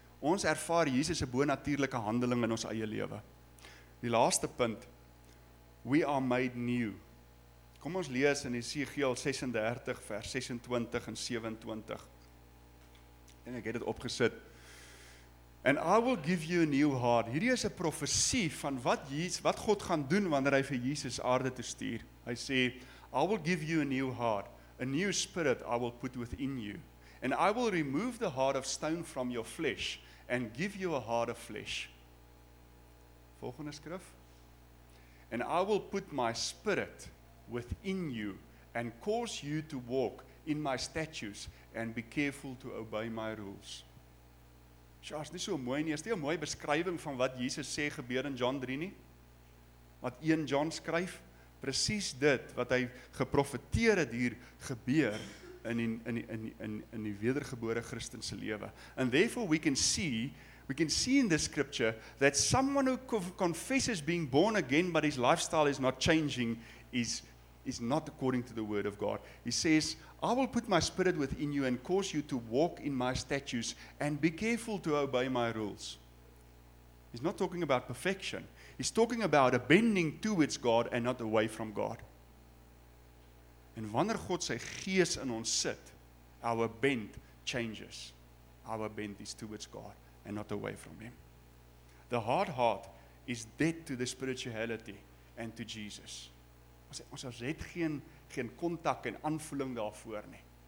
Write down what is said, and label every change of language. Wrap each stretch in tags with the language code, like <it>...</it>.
<af>Ons ervaar Jesus se bonatuurlike handeling in ons eie lewe. Die laaste punt,</af> <en>we are made new.</en> <af>Kom ons lees in Esegiël 36 vers 26 en 27. dink ek het dit opgesit.</af> <en>And I will give you a new heart.</en> <af>Hierdie is 'n profesie van wat Jesus, wat God gaan doen wanneer hy vir Jesus aarde toe stuur. Hy sê,</af> <en>I will give you a new heart, a new spirit I will put within you. And I will remove the heart of stone from your flesh and give you a heart of flesh.</en> <af>Volgende skrif.</af> <en>And I will put my spirit within you and cause you to walk in my statutes and be careful to obey my rules.</en> <af>Ja, is nie so mooi nie. Is nie 'n mooi beskrywing van wat Jesus sê gebeur in John 3 nie? Wat 1 John skryf, presies dit wat hy geprofeteer het hier gebeur in die wedergebore Christen se lewe.</af> <en>And therefore we can see in this scripture that someone who confesses being born again but his lifestyle is not changing is not according to the word of God. He says, I will put my spirit within you and cause you to walk in my statutes and be careful to obey my rules. He's not talking about perfection. He's talking about a bending towards God and not away from God.</en> <af>En wanneer God sy gees in ons sit,</af> <en>our bent changes. Our bent is towards God and not away from him. The hard heart is dead to the spirituality and to Jesus.</en> <af>Ons het geen kontak en aanvoeling daarvoor nie.</af>